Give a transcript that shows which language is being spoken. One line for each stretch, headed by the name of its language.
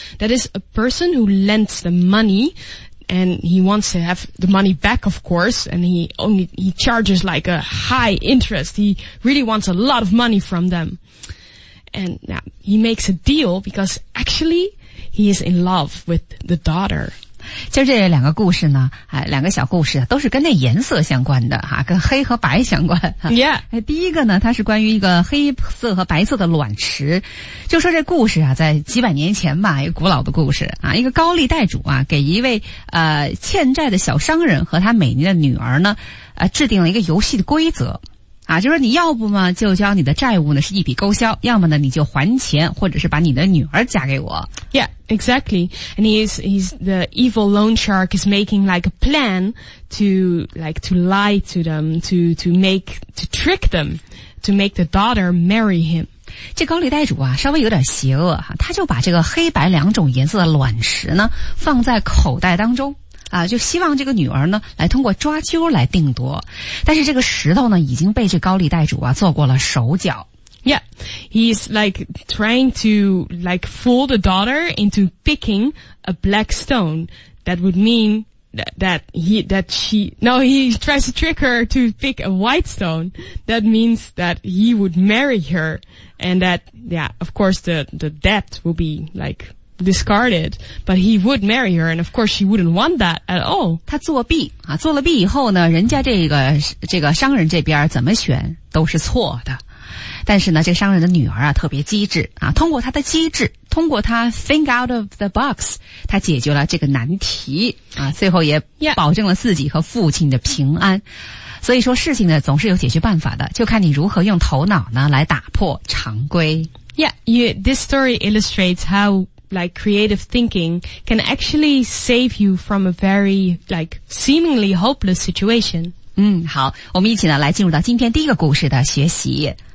English: That is a person who lends them money and he wants to have the money back, of course, and he charges like a high interest. He really wants a lot of money from them. And now he makes a deal because actually he is in love with the daughter.
Chinese: 就这两个故事呢，两个小故事都是跟那颜色相关的哈，跟黑和白相关。
English: Yeah.
Chinese: 第一个呢，它是关于一个黑色和白色的卵石。就说这故事啊，在几百年前吧，一个古老的故事啊，一个高利贷主啊，给一位欠债的小商人和他美丽的女儿呢，制定了一个游戏的规则。啊，就是你要不嘛就将你的债务呢是一笔勾销，要么呢你就还钱，或者是把你的女儿嫁给我。
English: Yeah, exactly. And he's the evil loan shark is making like a plan to lie to them, to trick them, to make the daughter marry him.
Chinese: 这高利贷主啊，稍微有点邪恶哈，他就把这个黑白两种颜色的卵石呢放在口袋当中。啊，就希望这个女儿呢来通过抓阄来定夺，但是这个石头呢已经被这高利贷主啊做过了手脚。
English: Yeah. He's like trying to like fool the daughter into picking a black stone. That would mean he tries to trick her to pick a white stone. That means that he would marry her, and that, yeah, of course the debt will be like discarded, but he would marry her, and of course she wouldn't want that at all.
Chinese: 他作弊啊，做了弊以后呢，人家这个商人这边怎么选都是错的。但是呢，这商人的女儿啊特别机智啊，通过她的机智，通过她
English: think out of the box，
Chinese: 她解决了这个难题啊，最后也保证了自己和父亲的平安。所以说事情呢总是有解决办法的，就看你如何用头脑呢来打破常规。
English: This story illustrates how like creative thinking can actually save you from a very like seemingly hopeless situation.
Chinese: 嗯，好，我们一起呢来进入到今天第一个故事的学习。